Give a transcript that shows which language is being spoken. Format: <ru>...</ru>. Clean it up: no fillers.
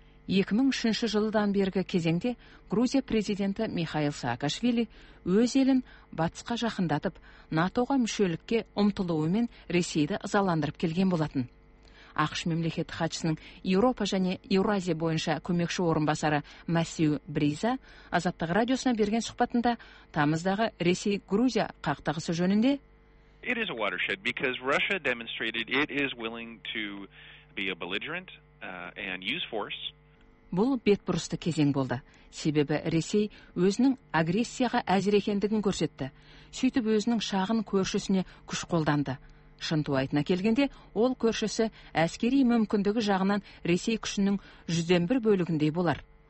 <kk>2003 жылдан бергі кезеңде Грузия президенті Михаил Саакашвили өз елін батысқа жақындатып, НАТО-ға мүшелікке ұмтылуымен Ресейді ызаландырып келген болатын. Ақш мемлекеттік хатшысының Еуропа және Еуразия бойынша көмекші орынбасары Мәсіу Бриза Азаттық радиосына берген сұхбатында тамыздағы Ресей-Грузия қақтығысы жөнінде</kk> <en>It is a watershed because Russia demonstrated it is willing to be a belligerent and use force.</en> <kk>Бұл бетбұрысты кезең болды. Себебі Ресей өзінің агрессияға әзір екендігін көрсетті. Сөйтіп өзінің шағын көршісіне күш қолданды. Шынтуайтына келгенде, ол көршісі әскери мүмкіндігі жағынан Ресей күшінің 1/100 бөлігіндей болар.</kk>